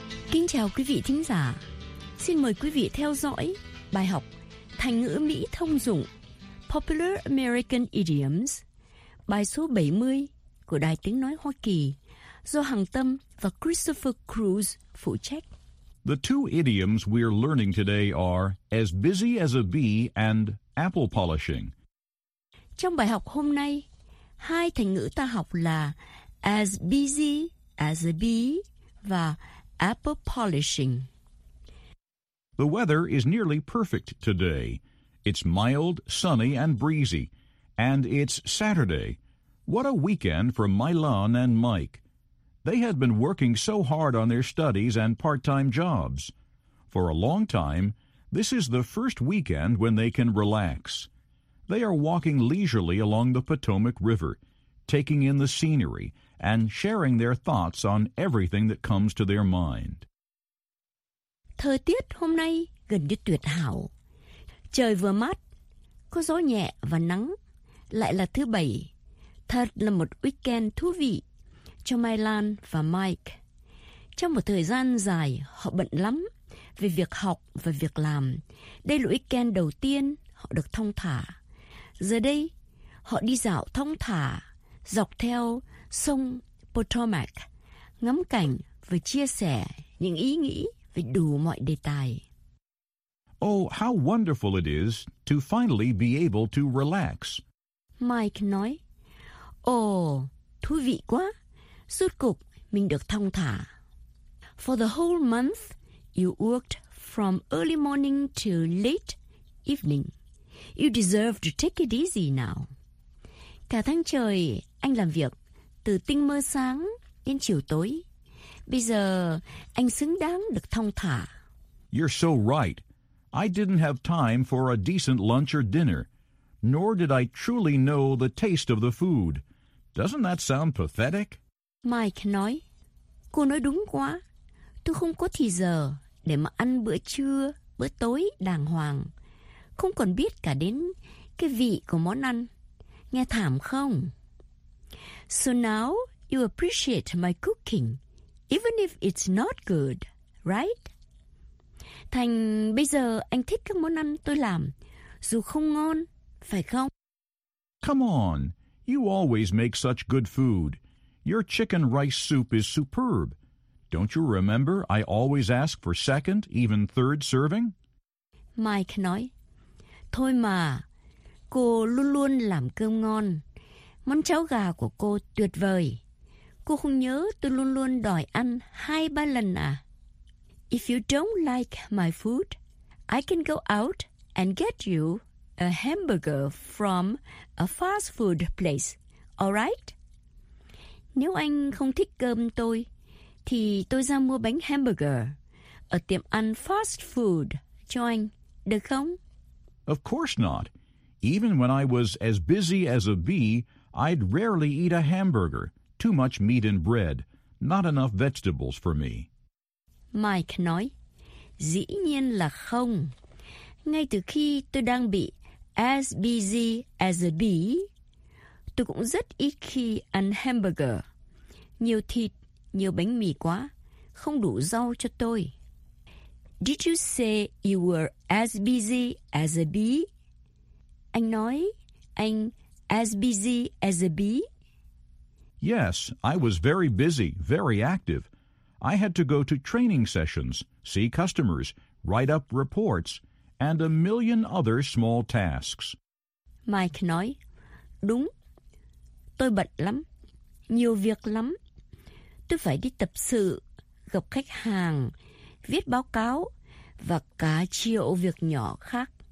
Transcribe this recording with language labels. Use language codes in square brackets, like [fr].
[vi] Kính chào quý vị thính giả. Xin mời quý vị theo dõi bài học Thành ngữ Mỹ thông dụng Popular American Idioms, bài số 70 của Đài Tiếng Nói Hoa Kỳ, do Hằng Tâm và Christopher Cruz phụ trách. [en] The two idioms we are learning today are as busy as a bee and apple polishing. [vi] Trong bài học hôm nay, hai thành ngữ ta học là [en] as busy as a bee [vi] và [en] apple polishing. The weather is nearly perfect today. It's mild, sunny, and breezy. And it's Saturday. What a weekend for Mylon and Mike. They had been working so hard on their studies and part-time jobs. For a long time, this is the first weekend when they can relax. They are walking leisurely along the Potomac River, taking in the scenery and sharing their thoughts on everything that comes to their mind. [vi] Thời tiết hôm nay gần như tuyệt hảo. Trời vừa mát, có gió nhẹ và nắng, lại là thứ bảy. Thật là một weekend thú vị cho Mylan và Mike. Trong một thời gian dài, họ bận lắm về việc học và việc làm. Đây là weekend đầu tiên họ được thong thả. Giờ đây, họ đi dạo thong thả dọc theo sông Potomac, ngắm cảnh và chia sẻ những ý nghĩ về đủ mọi đề tài. [en] Oh, how wonderful it is to finally be able to relax. [vi] Mike nói, thú vị quá, rốt cục mình được thong thả. [en] For the whole month, you worked from early morning to late evening. You deserve to take it easy now. [vi] Cả tháng trời, anh làm việc từ tinh mơ sáng đến chiều tối. Bây giờ, anh xứng đáng được thong thả. [en] You're so right. I didn't have time for a decent lunch or dinner, nor did I truly know the taste of the food. Doesn't that sound pathetic? [vi] Mike nói, cô nói đúng quá. Tôi không có thì giờ để mà ăn bữa trưa, bữa tối đàng hoàng. Không còn biết cả đến cái vị của món ăn. Nghe thảm không? [en] So now you appreciate my cooking, even if it's not good, right? [vi] Thành bây giờ anh thích các món ăn tôi làm, dù không ngon, phải không? [en] Come on, you always make such good food. Your chicken rice soup is superb. Don't you remember I always ask for second, even third serving? [vi] Mike nói, thôi mà, cô luôn luôn làm cơm ngon. Món cháo gà của cô tuyệt vời. Cô không nhớ tôi luôn luôn đòi ăn hai ba lần à? [en] If you don't like my food, I can go out and get you a hamburger from a fast food place, all right? [vi] Nếu anh không thích cơm tôi, thì tôi ra mua bánh hamburger ở tiệm ăn fast food cho anh, được không? [en] Of course not. Even when I was as busy as a bee, I'd rarely eat a hamburger. Too much meat and bread. Not enough vegetables for me. [vi] Mike nói, dĩ nhiên là không. Ngay từ khi tôi đang bị [en] as busy as a bee, [vi] tôi cũng rất ít khi ăn hamburger. Nhiều thịt, nhiều bánh mì quá, không đủ rau cho tôi. [en] Did you say you were as busy as a bee? [vi] Anh nói, anh [en] as busy as a bee? Yes, I was very busy, very active. I had to go to training sessions, see customers, write up reports, and a million other small tasks. [vi] Mike nói, đúng, tôi bận lắm, nhiều việc lắm. Tôi phải đi tập sự, gặp khách hàng, viết báo cáo, và cả triệu việc nhỏ khác.